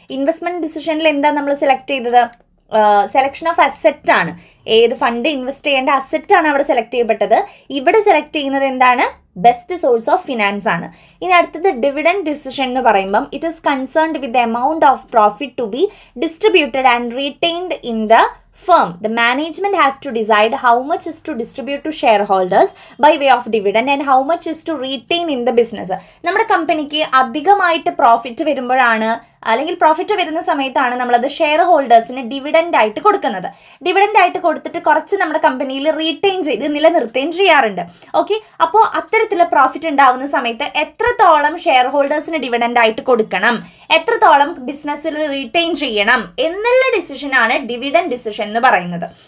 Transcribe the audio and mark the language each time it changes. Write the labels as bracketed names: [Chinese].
[Malayalam] Investment ഡിസിഷനിൽ എന്താ നമ്മൾ select ചെയ്തത്? സെലക്ഷൻ ഓഫ് അസെറ്റ് ആണ്, ഏത് ഫണ്ട് ഇൻവെസ്റ്റ് ചെയ്യേണ്ട അസെറ്റ് ആണ് അവിടെ സെലക്ട് ചെയ്യപ്പെട്ടത്. ഇവിടെ സെലക്ട് ചെയ്യുന്നത് എന്താണ്? ബെസ്റ്റ് സോഴ്സ് ഓഫ് ഫിനാൻസ് ആണ്. ഇനി അടുത്തത് ഡിവിഡൻഡ് ഡിസിഷൻ എന്ന് പറയുമ്പം, [English] It is concerned with the amount of profit to be distributed and retained in the firm. The management has to decide how much is to distribute to shareholders by way of dividend and how much is to retain in the business. [Malayalam] നമ്മുടെ കമ്പനിക്ക് അധികമായിട്ട് profit വരുമ്പോഴാണ്, അല്ലെങ്കിൽ profit വരുന്ന സമയത്താണ് നമ്മളത് share ഹോൾഡേഴ്സിന് dividend ആയിട്ട് കൊടുക്കുന്നത്. ഡിവിഡൻഡ് ആയിട്ട് കൊടുത്തിട്ട് കുറച്ച് നമ്മുടെ കമ്പനിയിൽ റീറ്റെയിൻ ചെയ്ത് നിലനിർത്തുകയും ചെയ്യാറുണ്ട്. ഓക്കെ, അപ്പോൾ അത്തരത്തിലുള്ള പ്രോഫിറ്റ് ഉണ്ടാകുന്ന സമയത്ത് എത്രത്തോളം ഷെയർ ഹോൾഡേഴ്സിന് ഡിവിഡൻഡ് ആയിട്ട് കൊടുക്കണം, എത്രത്തോളം ബിസിനസ്സിൽ റീറ്റെയിൻ ചെയ്യണം എന്നുള്ള ഡിസിഷനാണ് ഡിവിഡൻഡ് ഡിസിഷൻ എന്ന് പറയുന്നത്.